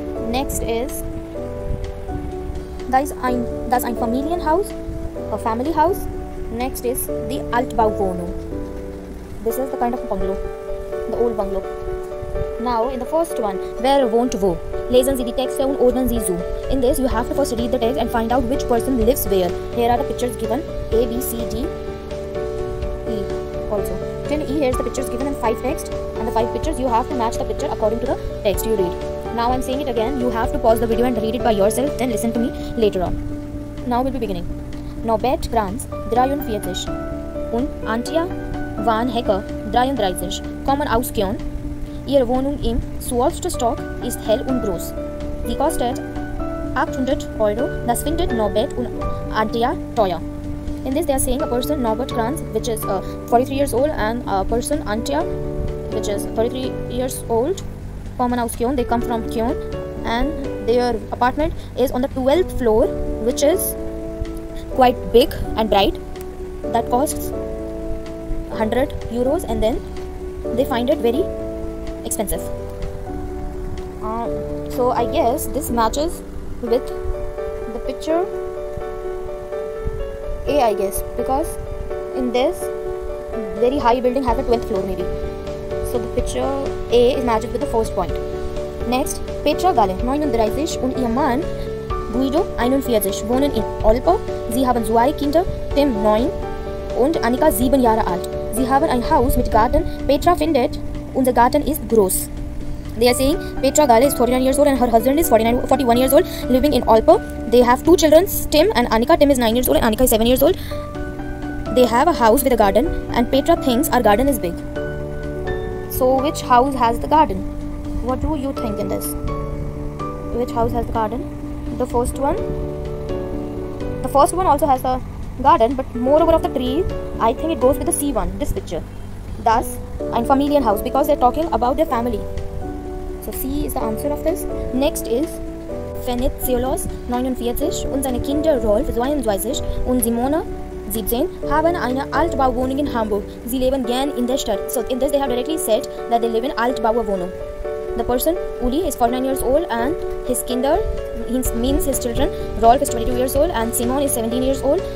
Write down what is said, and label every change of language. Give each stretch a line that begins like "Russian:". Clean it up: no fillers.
English: Next is
German: Das ein Familienhaus,
English: a family house. Next is the Altbauwohnung. This is the kind of bungalow, the old bungalow. Now, in the first one, where won't wo?
German: Lesen Sie die Texte und ordnen Sie zu.
English: In this, you have to first read the text and find out which person lives where. Here are the pictures given, A, B, C, D, E also. Till E, here's the pictures given in 5 text. And the 5 pictures, you have to match the picture according to the text you read. Now I'm saying it again, you have to pause the video and read it by yourself, then listen to me later on. Now we'll be beginning.
German: Norbert Kranz, 43, und Antia Van Hecker, 33, kommen aus Köln. Ihre Wohnung im Schwarzstock ist hell und groß. Die kostet 800 Euro, das findet Norbert und Antia teuer.
English: In this they are saying a person, Norbert Kranz, which is 43 years old, and a person, Antia, which is 33 years old,
German: kommen aus Köln,
English: they come from Köln, and their apartment is on the 12th floor, which is quite big and bright, that costs 100 euros, and then they find it very expensive. So I guess this matches with the picture A, I guess, because in this very high building has a 12th floor maybe. So the picture A is matched with the first point.
German: Next, Petra Galle, 39, und ihr Mann Guido, 41, wohnen in Olpe. Sie haben 2 Kinder, Tim 9 und Annika 7 Jahre alt. Sie haben ein Haus mit Garten. Petra findet, unser Garten ist groß.
English: They are saying Petra Galle is 39 years old and her husband is 41 years old, living in Olpe. They have 2 children, Tim and Annika. Tim is 9 years old and Annika is 7 years old. They have a house with a garden and Petra thinks our garden is big. So which house has the garden? What do you think in this? Which house has the garden? The first one? The first one also has the garden, but moreover of the tree, I think it goes with the C one, this picture.
German: Das ein Familienhaus,
English: because they're talking about their family. So C is the answer of this. Next is
German: Fenizelos, 49, und seine Kinder Rolf, 22, und Simona, 17, haben eine Altbauwohnung in Hamburg. Sie leben gern in der Stadt.
English: So in this they have directly said that they live in Altbauwohnung. The person Uli is 49 years old and his Kinder, means his children, Rolf is 22 years old and Simon is 17 years old.